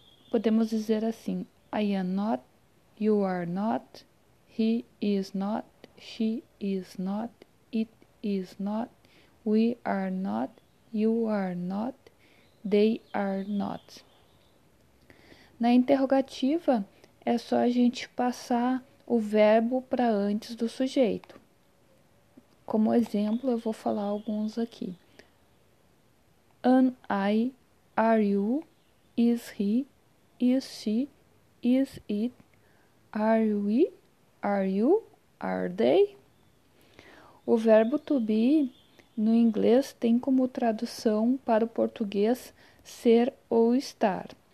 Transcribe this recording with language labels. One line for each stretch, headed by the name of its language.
Portuguese: Podemos dizer assim:
English: I am not, you are not, he is not, she is not, it is not, we are not, you are not, they are not.
Portuguese: Na interrogativa, é só a gente passar o verbo para antes do sujeito. Como exemplo, eu vou falar alguns aqui.
English: Am I, are you, is he, is she, is it, are we, are you, are they?
Portuguese: O verbo to be no inglês tem como tradução para o português ser ou estar.